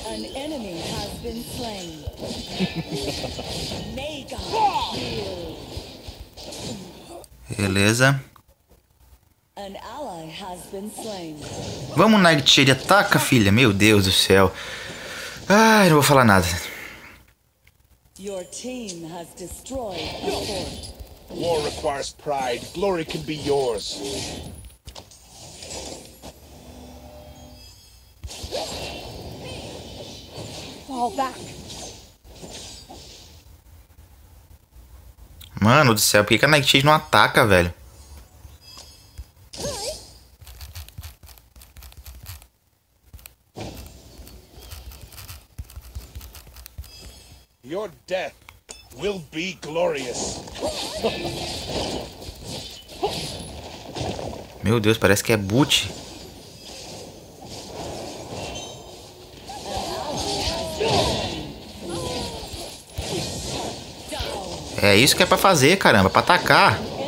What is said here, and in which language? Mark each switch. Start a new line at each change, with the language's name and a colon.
English: An enemy has been slain. Mega.
Portuguese: Beleza.
English: An ally has been slain.
Portuguese: Vamos, Nightshade, ataca, filha. Meu Deus do céu. Ai, não vou falar nada.
English: Your team has destroyed the fort. War requires pride. Glory can be yours. Fall back.
Portuguese: Mano do céu, por que a Nightshade não ataca, velho?
English: Your death will be glorious.
Portuguese: Meu Deus, parece que é boot. É isso que é pra fazer, caramba, pra atacar.